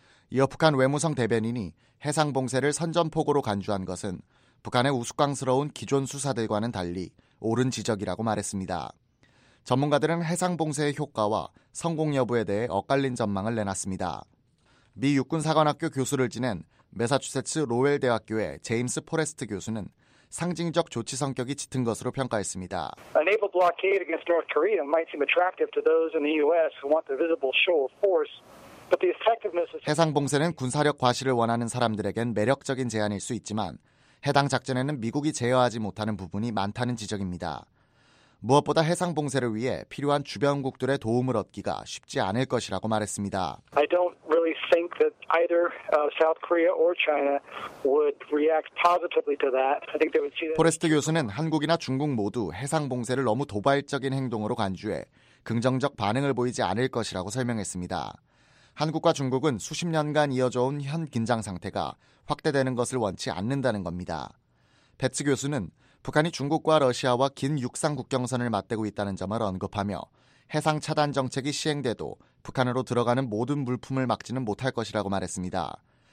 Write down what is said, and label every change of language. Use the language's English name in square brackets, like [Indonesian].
[Korean] 이어 북한 외무성 대변인이 해상 봉쇄를 선전포고로 간주한 것은 북한의 우스꽝스러운 기존 수사들과는 달리 옳은 지적이라고 말했습니다. 전문가들은 해상 봉쇄의 효과와 성공 여부에 대해 엇갈린 전망을 내놨습니다. 미 육군사관학교 교수를 지낸 매사추세츠 로웰 대학교의 제임스 포레스트 교수는 상징적 조치 성격이 짙은 것으로 평가했습니다. [English] A naval blockade against North Korea might seem attractive to those in the U.S. who want the visible show of force, but the effectiveness is. [Korean] 해상 봉쇄는 군사력 과시를 원하는 사람들에겐 매력적인 제안일 수 있지만 해당 작전에는 미국이 제어하지 못하는 부분이 많다는 지적입니다. 무엇보다 해상 봉쇄를 위해 필요한 주변국들의 도움을 얻기가 쉽지 않을 것이라고 말했습니다. [English] I don't really really think that either South Korea or China would react positively to that. I think they would see that. [Korean] 포레스트 교수는 한국이나 중국 모두 해상 봉쇄를 너무 도발적인 행동으로 간주해 긍정적 반응을 보이지 않을 것이라고 설명했습니다. 한국과 중국은 수십 년간 이어져온 현 긴장 상태가 확대되는 것을 원치 않는다는 겁니다. 베츠 교수는 북한이 중국과 러시아와 긴 육상 국경선을 맞대고 있다는 점을 언급하며 해상 차단 정책이 시행돼도 북한으로 들어가는 모든 물품을 막지는 못할 것이라고 말했습니다.